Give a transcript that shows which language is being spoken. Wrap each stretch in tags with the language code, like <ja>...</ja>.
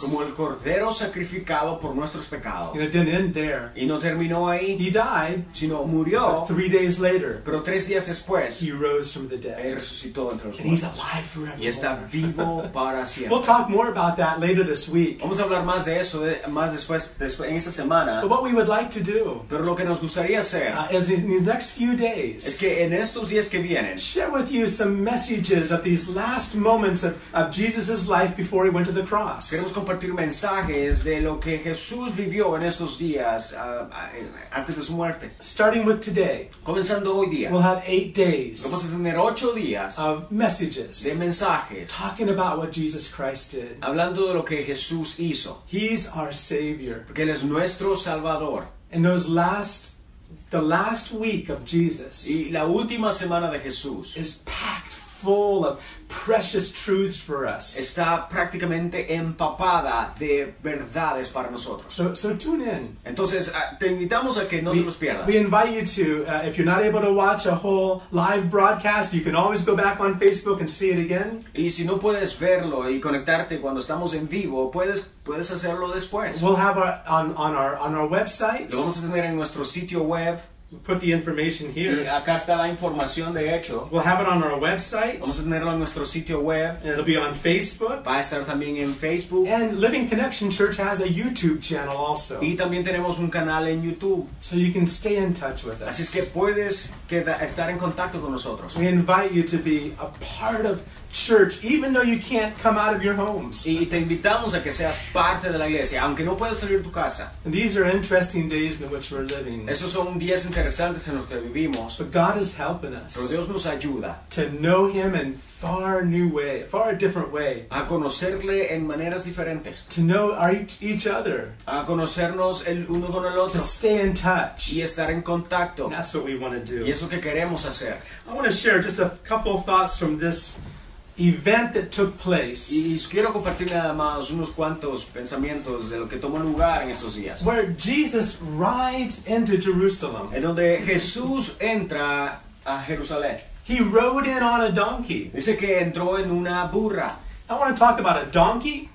<es>como el Cordero sacrificado por nuestros pecados.</es> <en>And it didn't end there.</en> <es>Y no terminó ahí.</es> <en>He died,</en> <es>sino murió.</es> <en>But 3 days later,</en> <es>pero 3 días después,</es> <en>he rose from the dead.</en> <es>Él resucitó entre los</es> <en>and</en> <es>muertos.</es> <en>He's alive forevermore.</en> <es>Y está vivo para siempre.</es> <en>We'll talk more about that later this week.</en> <es>Vamos a hablar más de eso más después en esta semana.</es> <en>But what we would like to do,</en> <es>pero lo que nos gustaría hacer,</es> <en>is in these next few days,</en> <es>es que en estos días que vienen,</es> <en>share with you some messages of these last moments of Jesus's life before he went to the cross.</en> <es>Queremos compartir mensajes de lo que Jesús vivió en estos días antes de su muerte.</es> <en>Starting with today.</en> <es>Comenzando hoy día.</es> <en>We'll have 8 days.</en> <es>Vamos a tener 8 días</es> <en>of messages.</en> <es>De mensajes.</es> <en>Talking about what Jesus Christ did.</en> <es>Hablando de lo que Jesús hizo.</es> <en>He's our Savior.</en> <es>Porque él es nuestro Salvador.</es> <en>And those last the last week of Jesus.</en> <es>Y la última semana de Jesús</es> <en>is packed full of precious truths for us.</en> <es>Está prácticamente empapada de verdades para nosotros.</es> <en>So tune in.</en> <es>Entonces, te invitamos a que no te los pierdas.</es> <en>We invite you to, if you're not able to watch a whole live broadcast, you can always go back on Facebook and see it again.</en> <es>Y si no puedes verlo y conectarte cuando estamos en vivo, puedes hacerlo después.</es> <en>We'll have on our website.</en> <es>Lo vamos a tener en nuestro sitio web.</es> <en>Put the information here.</en> <es>Y acá está la información de hecho.</es> <en>We'll have it on our website.</en> <es>Vamos a tenerlo en nuestro sitio web.</es> <en>And it'll be on Facebook.</en> <es>Va a estar también en Facebook.</es> <en>And Living Connection Church has a YouTube channel also.</en> <es>Y también tenemos un canal en YouTube.</es> <en>So you can stay in touch with us.</en> <es>Así es que puedes estar en contacto con nosotros.</es> <en>We invite you to be a part of church, even though you can't come out of your homes.</en> <es>Y te invitamos a que seas parte de la iglesia, aunque no puedas salir de tu casa.</es> <en>And these are interesting days in which we're living.</en> <es>Esos son días interesantes en los que vivimos.</es> <en>But God is helping us.</en> <es>Pero Dios nos ayuda.</es> <en>To know Him in far a different way.</en> <es>A conocerle en maneras diferentes.</es> <en>To know each other.</en> <es>A conocernos el uno con el otro.</es> <en>To stay in touch.</en> <es>Y estar en contacto.</es> <en>And that's what we want to do.</en> <es>Y eso que queremos hacer.</es> <en>I want to share just a couple of thoughts from this event that took place.</en> <es>Y quiero compartir nada más unos cuantos pensamientos de lo que tomó lugar en estos días.</es> <en>Where Jesus rides into Jerusalem.</en> <es>En donde Jesús entra a Jerusalén.</es> <en>He rode in on a donkey.</en> <es>Dice que entró en una burra.</es> <en>I want to talk about a donkey.</en>